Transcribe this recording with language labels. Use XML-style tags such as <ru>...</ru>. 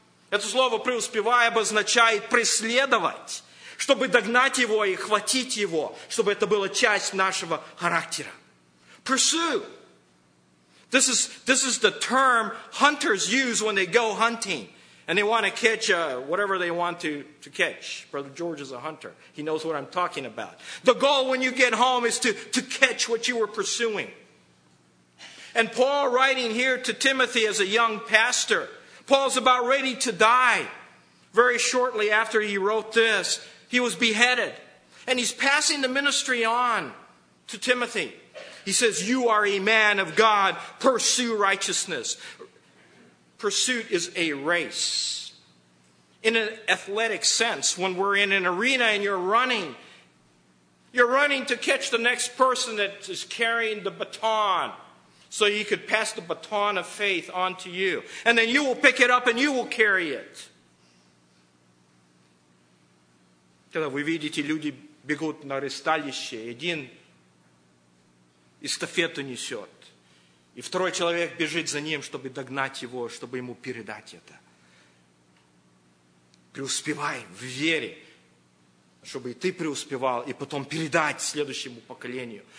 <ru>Это слово «преуспевай» обозначает преследовать, чтобы догнать его и хватить его, чтобы это было часть нашего характера.</ru> <en>Pursue. This is the term hunters use when they go hunting. And they want to catch whatever they want to catch. Brother George is a hunter. He knows what I'm talking about. The goal when you get home is to catch what you were pursuing. And Paul writing here to Timothy as a young pastor, Paul's about ready to die. Very shortly after he wrote this, he was beheaded. And he's passing the ministry on to Timothy. He says, you are a man of God. Pursue righteousness. Pursuit is a race. In an athletic sense, when we're in an arena and you're running to catch the next person that is carrying the baton so you could pass the baton of faith onto you. And then you will pick it up and you will carry it.</en> <ru>Когда вы видите, люди бегут на ристалище, один эстафету несет, и второй человек бежит за ним, чтобы догнать его, чтобы ему передать это. Преуспевай в вере, чтобы и ты преуспевал, и потом передать следующему поколению.</ru>